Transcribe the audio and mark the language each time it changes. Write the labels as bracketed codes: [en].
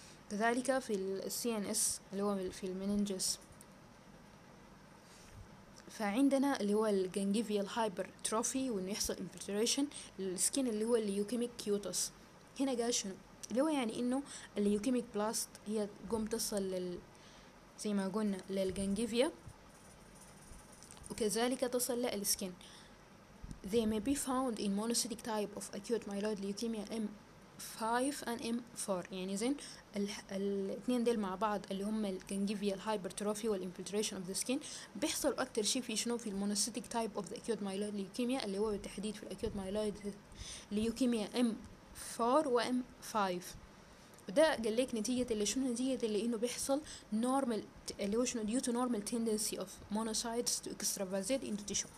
[ar] كذلك في السي ان اس اللي هو في المينينجز، فعندنا اللي هو الجانجيفيال هايبرتروفي وانه يحصل انفلتريشن للسكين اللي هو الليوكيميك كيوتوس. هنا قال شنو اللي هو يعني انه الليوكيميك بلاست هي قوم تصل لل زي ما قلنا للجانجيفيا وكذلك تصل للسكين. [en] they may be found in monocytic type of acute myeloid leukemia M5 and M4. [ar] يعني زين الاثنين ديل مع بعض اللي هم الجانجيفيال هايبرتروفي والانفلتريشن اوف ذا سكين بيحصل اكتر شيء في شنو في المونوسيتيك تايب اوف ذا اكيوت مايلويد ليوكيميا اللي هو بالتحديد في الاكيوت مايلويد ليوكيميا M4 و M5. وده قال لك نتيجه اللي شنو نتيجه اللي انه بيحصل نورمال اللي هو شنو [en] due to normal tendency of monocytes to extravasate into tissue.